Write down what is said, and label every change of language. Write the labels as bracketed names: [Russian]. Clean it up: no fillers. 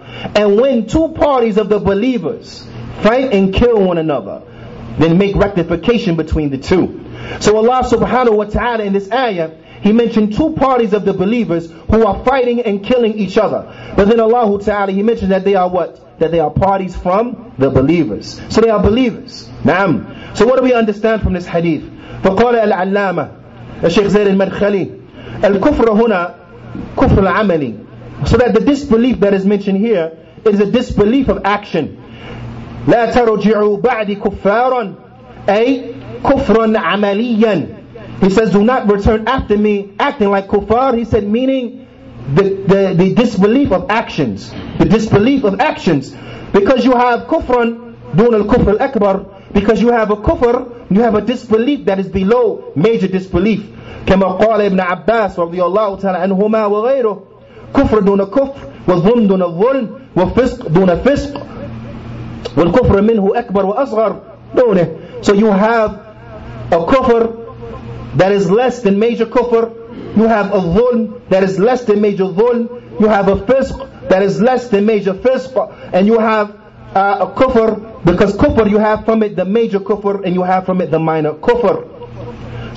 [English] And when two parties of the believers fight and kill one another, then make rectification between the two. So Allah subhanahu wa ta'ala in this ayah, he mentioned two parties of the believers who are fighting and killing each other. But then Allah ta'ala, he mentioned that they are what? That they are parties from the believers. So they are believers. Naam. So what do we understand from this hadith? [Arabic] فَقَالَ الْعَلَّامَةِ الشيخ زيد المدخلي الكفر هنا كفر العملي. [English] So that the disbelief that is mentioned here is a disbelief of action. [Arabic] لا ترجعوا بعد كفارا أي كفرا عمليا. [English] He says do not return after me acting like kufar. He said meaning the disbelief of actions. The disbelief of actions. Because you have كفرا دون الكفر الأكبر. Because you have a kufr, you have a disbelief that is below major disbelief. [Arabic] كما قال ابن عباس رضي الله تعالى عنهما وغيره كفر دون كفر وظلم دون ظلم وفسق دون فسق والكفر منه أكبر وأصغر دونه. [English] So you have a kufr that is less than major kufr. You have a ظلم that is less than major ظلم. You have a فسق that is less than major فسق. And you have a kufr Because kufr, you have from it the major kufr and you have from it the minor kufr.